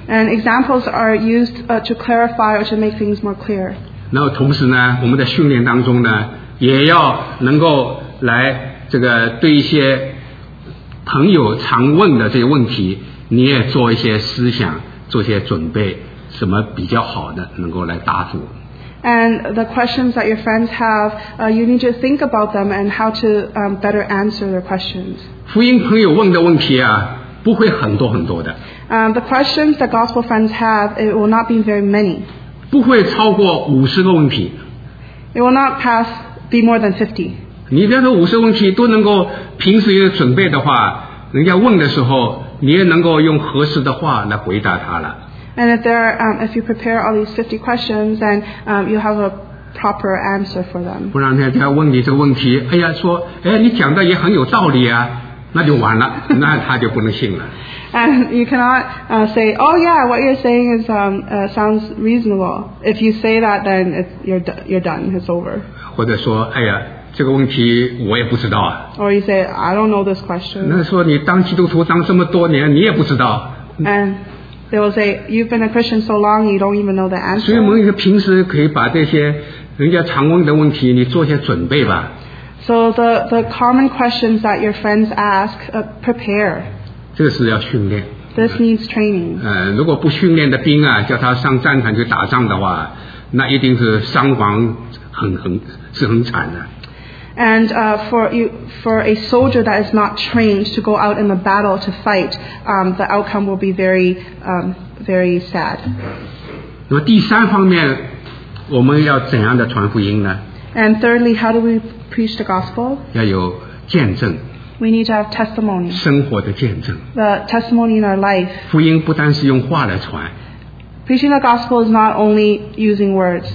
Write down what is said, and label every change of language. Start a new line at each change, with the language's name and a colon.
English: And examples are used to clarify or to make things more clear.
Chinese: 然后同时呢, 我们在训练当中呢, 也要能够来这个对一些 朋友常问的这些问题, 你也做一些思想, 做一些准备, 什么比较好的, 能够来答复。
English: And the questions that your friends have, you need to think about them and how to better answer their questions.
Chinese: 福音朋友问的问题啊, 不会很多很多的。
English: The questions that gospel friends have, it will not be very many.
Chinese: 不会超过50个问题。
English: It will not pass be more than 50.
Chinese: 你比方说50个问题都能够平时也准备的话, 人家问的时候, 你也能够用合适的话来回答他了。
English: And if, there are, if you prepare all these 50 questions, then you have a proper answer for them.
Chinese: 不然人家问你这个问题, 哎呀, 说, 哎, 你讲的也很有道理啊, 那就完了, 那他就不能信了。
English: And you cannot say, oh yeah, what you're saying is sounds reasonable. If you say that, then you're done, it's over.
Chinese: 或者说, 哎呀, 这个问题我也不知道啊。
English: Or you say, I don't know this question.
Chinese: 那说你当基督徒当这么多年, 你也不知道。
English: And they will say, you've been a Christian so long, you don't even know the answer.
Chinese: 所以我们平时可以把这些人家常问的问题, 你做些准备吧。
English: So the common questions that your friends ask, prepare.
Chinese: 这个是要训练。
English: This needs training.
Chinese: 如果不训练的兵啊, 叫他上战场去打仗的话, 那一定是伤亡很惨的。
English: And for a soldier that is not trained to go out in the battle to fight, the outcome will be very, very sad.
Chinese: 那么第三方面, 我们要怎样的传福音呢?
English: And thirdly, how do we preach the gospel?
Chinese: 要有见证。
English: We need to have testimony.
Chinese: 生活的见证。
English: The testimony in our life.
Chinese: 福音不单是用话来传。
English: Preaching the gospel is not only using words.